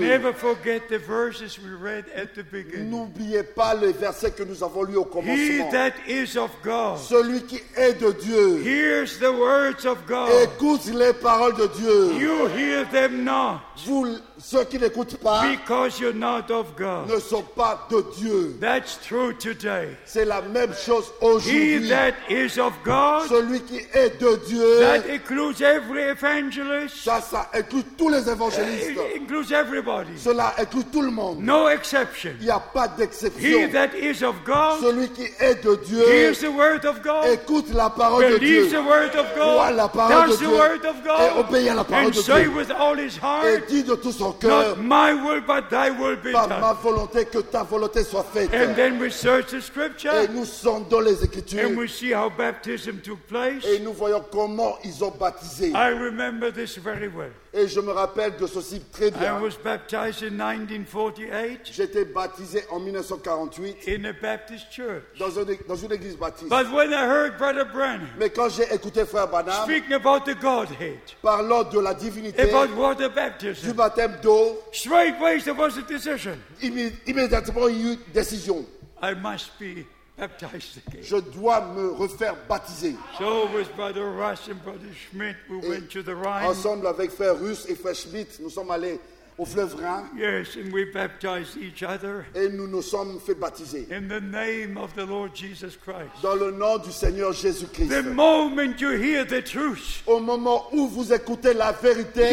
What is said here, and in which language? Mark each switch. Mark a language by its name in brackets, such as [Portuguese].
[English] Never forget the verses we read at the beginning. [French] N'oubliez pas les versets que nous avons lus au commencement. [English] He that is of God. [French] Celui qui est de Dieu. [English] Hears the words of God. [French] Écoute les paroles de Dieu. [English] You hear them not. [French] Vous, ceux qui n'écoutent pas, [English] because you're not of God. [French] Ne sont pas de Dieu. [English] That's true today. [French] C'est la même chose aujourd'hui. [English] He that is of God. [French] Celui qui est de Dieu. [English] That includes every evangelist. [French] Ça inclut tous les évangélistes. [English] It includes everybody. [French] Cela inclut tout le monde. [English] No exception. [French] Il n'y a pas d'exception. [English] He that is of God. [French] Celui qui est de Dieu. [English] Hears the word of God. [French] Écoute la parole de Dieu. [English] Believes the word of God. [French] Voit la parole [English] that's [French] de Dieu. [English] The word of God. [French] Et obéit à la parole [English] and [French] de [English] say [French] Dieu. [English] With all his heart. [French] Et dit de tout son cœur. [English] Not my will, but thy will be [French] pas [English] done. [French] Ma volonté, que ta volonté soit faite. [English] And then we search the scripture. [French] Et nous sondons les écritures. [English] And we see how baptism took place. [French] Et nous voyons comment ils ont baptisé. [English] I remember this very well. [French] Et je me rappelle de ceci très bien. [English] I was baptized in 1948. [French] J'étais baptisé en 1948. [English] In a Baptist church. [French] Dans une église baptiste. [English] But when I heard Brother Branham. [French] Mais quand j'ai écouté Frère Branham. [English] Speaking about the Godhead. [French] Parlant de la divinité. [English] About water baptism. [French] Du baptême d'eau. [English] Straightway there was a decision. [French] Immédiatement il y a eu décision. [English] I must be baptized again. [French] Je dois me refaire baptiser. [English] So with Brother Russ and Brother Schmidt, we went to the Rhine. [French] Ensemble avec Frère Russ et Frère Schmidt, nous sommes allés au fleuve Rhin. [English] Yes, and we baptized each other. [French] Et nous nous sommes fait baptiser. [English] In the name of the Lord Jesus Christ. [French] Dans le nom du Seigneur Jésus-Christ. [English] The moment you hear the truth. [French] Au moment où vous écoutez la vérité.